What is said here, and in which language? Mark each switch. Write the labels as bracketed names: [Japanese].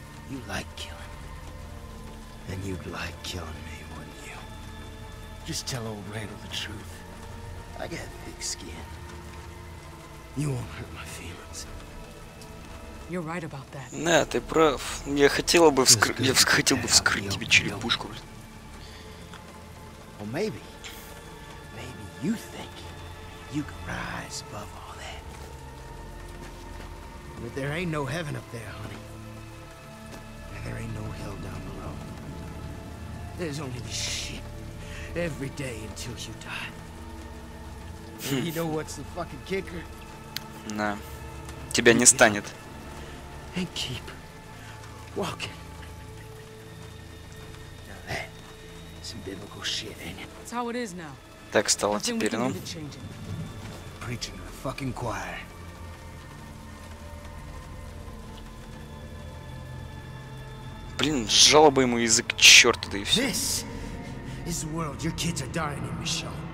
[English] You like killing. And you'd like killing me, wouldn't you? Just tell old Randall the truth. I got thick skin. You won't hurt my feelings. You're right about that. [Russian] Да, ты прав. Я хотела бы вскрыть. Я хотел бы вскрыть тебе черепушку. [English] Well, maybe you think you can rise above all that. But there ain't no heaven up there, honey. And there ain't no hell down below. There's only this shit every day until you die. You know what's the fucking kicker? [Russian] No. Тебя не станет. [English] And keep walking. Now that is some biblical shit, ain't it? That's how it is now. [Russian] Так стало теперь, ну. [English] Preaching the fucking choir. [Russian] Блин, сжало бы ему язык, черт, да и все. [English] This is the world your kids are dying in, Michonne.